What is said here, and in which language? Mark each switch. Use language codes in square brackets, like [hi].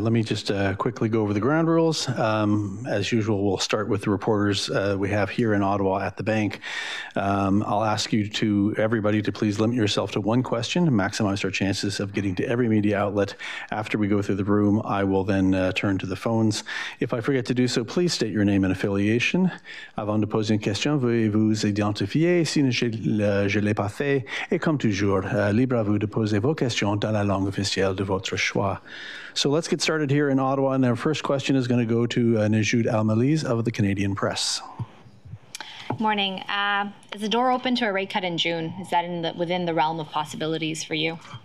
[en] Let me just quickly go over the ground rules. As usual, we'll start with the reporters we have here in Ottawa at the bank. I'll ask you to everybody to please limit yourself to one question to maximize our chances of getting to every media outlet. After we go through the room, I will then turn to the phones. If I forget to do so, please state your name and affiliation. [fr] Avant de poser une question, veuillez vous identifier si je ne l'ai pas fait. Et comme toujours, libre à vous de poser vos questions dans la langue officielle de votre choix. [en] So let's get started here in Ottawa, and our first question is going to go to Najoud Al-Maliz of the Canadian Press. Morning. Is the door open to a rate cut in June? Is that within the realm of possibilities for you?